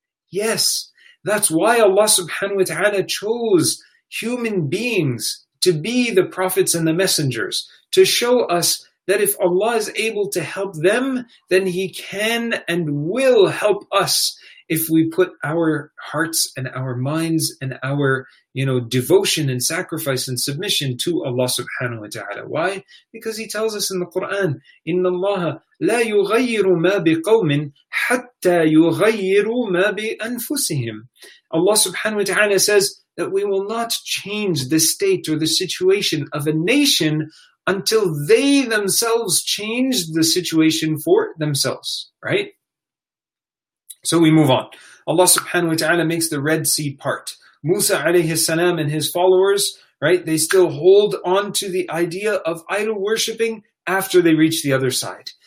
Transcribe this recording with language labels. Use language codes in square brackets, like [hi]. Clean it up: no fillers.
[en] Yes, that's why Allah subhanahu wa ta'ala chose human beings to be the prophets and the messengers, to show us that if Allah is able to help them, then He can and will help us if we put our hearts and our minds and our, you know, devotion and sacrifice and submission to Allah subhanahu wa ta'ala. Why? Because He tells us in the Quran, [ar] إِنَّ اللَّهَ لَا يُغَيِّرُ مَا بِقَوْمٍ حَتَّى يُغَيِّرُ مَا بِأَنفُسِهِمْ. [en] Allah subhanahu wa ta'ala says that we will not change the state or the situation of a nation until they themselves change the situation for themselves, right? So we move on. Allah subhanahu wa ta'ala makes the Red Sea part. Musa alayhi salam and his followers, right, they still hold on to the idea of idol worshipping after they reach the other side.